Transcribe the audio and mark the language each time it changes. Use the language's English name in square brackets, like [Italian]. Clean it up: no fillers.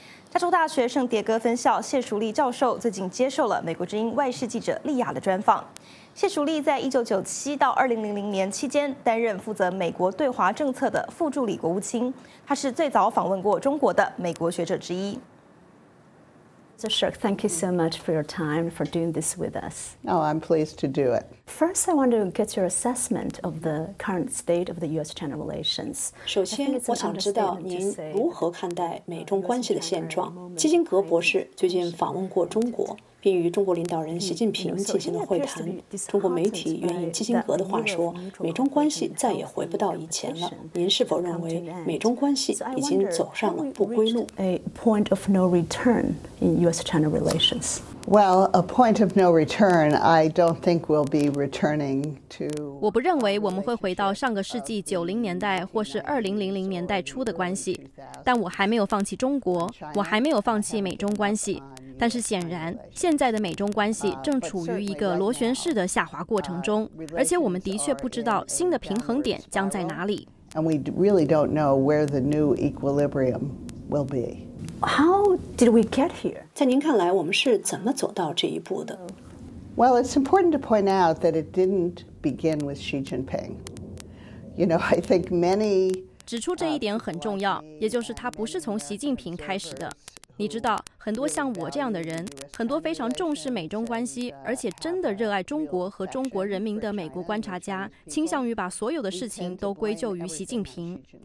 [Chinese] 加州大学圣迭戈分校谢淑丽教授最近接受了美国之音外事记者莉亚的专访。谢淑丽在1997到2000年期间担任负责美国对华政策的副助理国务卿，她是最早访问过中国的美国学者之一。 [English] So Shirk, thank you so much for your time, for doing this with us. Oh, I'm pleased to do it. First, I want to get your assessment of the current state of the U.S.-China relations. [Chinese] 首先我想知道您如何看待美中关系的现状。基辛格博士最近访问过中国，并与中国领导人习近平进行了会谈。中国媒体援引基辛格的话说，美中关系再也回不到以前了。您是否认为美中关系已经走上了不归路？ [English] A point of no return in U.S.-China relations. Well, a point of no return, I don't think we'll be returning to. [Chinese] 我不认为我们会回到上个世纪90年代或是2000年代初的关系，但我还没有放弃中国，我还没有放弃美中关系。但是显然，现在的美中关系正处于一个螺旋式的下滑过程中，而且我们的确不知道新的平衡点将在哪里。 [English] And we really don't know where the new equilibrium will be. How did we get here? [Chinese] 在您看来，我们是怎么走到这一步的 [English] ？Well, it's important to point out that it didn't begin with Xi Jinping. You know, I think many [Chinese] 指出这一点很重要，也就是它不是从习近平开始的。你知道，很多像我这样的人，很多非常重视美中关系，而且真的热爱中国和中国人民的美国观察家，倾向于把所有的事情都归咎于习近平。